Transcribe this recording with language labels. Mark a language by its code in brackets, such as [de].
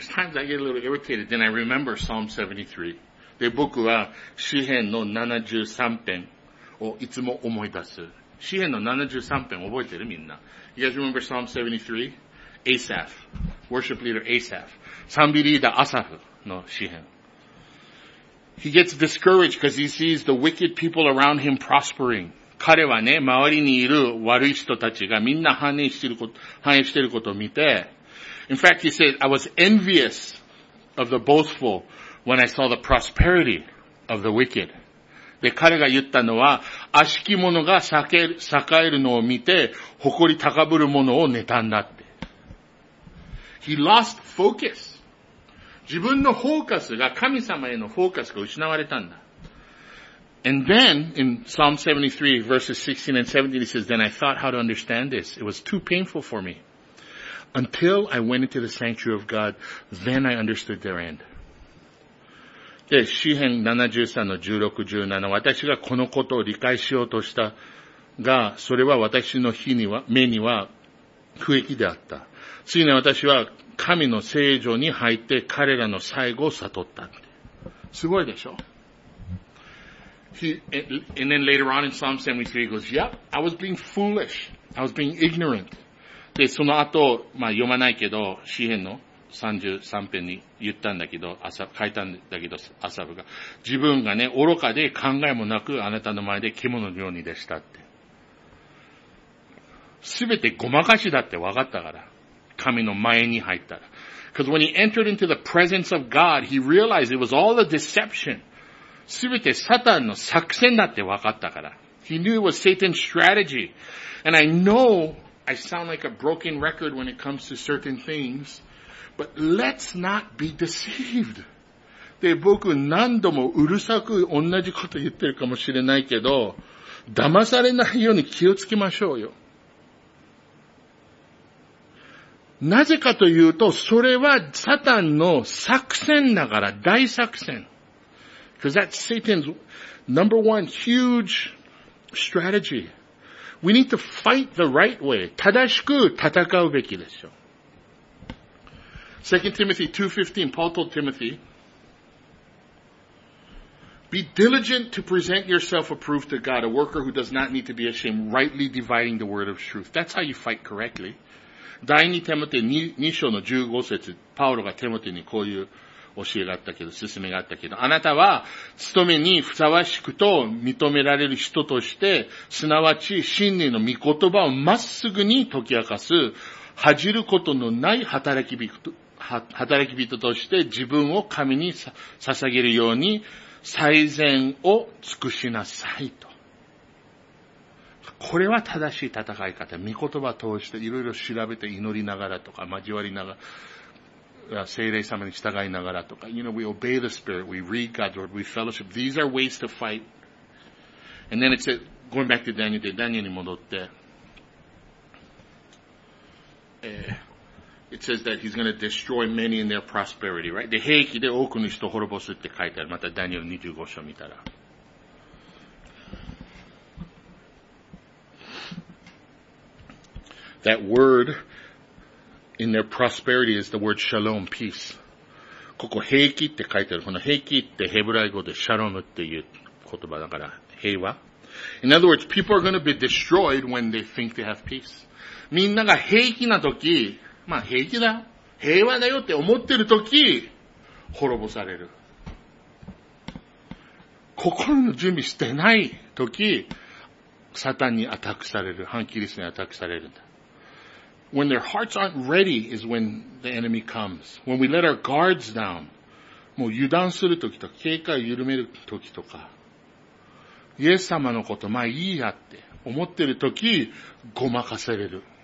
[en] There's times I get a little irritated, then I remember Psalm 73. [ja] で、僕は、詩編の73編をいつも思い出す。詩編の73編覚えてるみんな。 [en] You guys remember Psalm 73? Asaph. Worship leader Asaph. [ja] 賛美リーダーアサフの詩編。 [en] He gets discouraged because he sees the wicked people around him prospering. [ja] 彼はね、周りにいる悪い人たちがみんな繁栄していることを見て。 [en] In fact, he said, I was envious of the boastful when I saw the prosperity of the wicked. [ja] で、彼が言ったのは、悪しき者が栄えるのを見て、誇り高ぶる者を妬んだって。 [en] He lost focus. [ja] 自分のフォーカスが、神様へのフォーカスが失われたんだ。 [en] And then, in Psalm 73, verses 16 and 17, he says, Then I thought how to understand this. It was too painful for me. Until I went into the sanctuary of God, then I understood their end. [ja] で、詩編73の16、17、私がこのことを理解しようとしたが、それは私の日には、目には、不益であった。ついに私は神の聖所に入って彼らの最後を悟った。すごいでしょ？ [en] And then later on in Psalm 73 he goes, Yep, I was being foolish. I was being ignorant. [ja] で、その後、まあ読まないけど、詩編の33編に言ったんだけど、書いたんだけど、アサブが。自分がね、愚かで考えもなくあなたの前で獣のようにでしたって。すべてごまかしだって分かったから。神の前に入ったら。 [en] Because when he entered into the presence of God, he realized it was all a deception. [ja] すべてサタンの作戦だって分かったから。 [en] He knew it was Satan's strategy. And I know I sound like a broken record when it comes to certain things, but let's not be deceived. [ja] で、僕何度もうるさく同じこと言ってるかもしれないけど、騙されないように気をつけましょうよ。なぜかというと、それはサタンの作戦だから、大作戦。 [en] Because that's Satan's number one huge strategy. We need to fight the right way. [ja] 正しく戦うべきでしょ。 [en] 2 Timothy 2:15, Paul told Timothy, Be diligent to present yourself approved to God, a worker who does not need to be ashamed, rightly dividing the word of truth. That's how you fight correctly. [ja] 第2 Timothy 2章の15節、パウロがテモテにこういう教えがあったけど、勧めがあったけど、あなたは、勤めにふさわしくと認められる人として、すなわち、真理の御言葉をまっすぐに解き明かす、恥じることのない働き人として、自分を神に捧げるように、最善を尽くしなさいと。これは正しい戦い方。御言葉を通して、いろいろ調べて祈りながらとか、交わりながら、聖霊様に従いながらとか、 [en] you know, we obey the Spirit, we read God's word, we fellowship. These are ways to fight. And then it said, going back to Daniel, Daniel [ja] に戻って、 [en] it says that he's going to destroy many in their prosperity, right? [ja] で、兵器で多くの人を滅ぼすって書いてある。またダニエル25章見たら。 That word,In their prosperity is the word shalom, peace. ここ平気って書いてある。この平気ってヘブライ語でシャロムっていう言葉だから、平和。 [en] In other words, people are going to be destroyed when they think they have peace. [ja] みんなが平気な時、まあ平気だ、平和だよって思ってる時、滅ぼされる。心の準備してない時、サタンにアタックされる、反キリストにアタックされるんだ。 [en] When their hearts aren't ready is when the enemy comes. When we let our guards down. [ja] もう油断するときとか、警戒を緩めるときとか、イエス様のこと、まあいいやって思ってるとき、ごまかされる。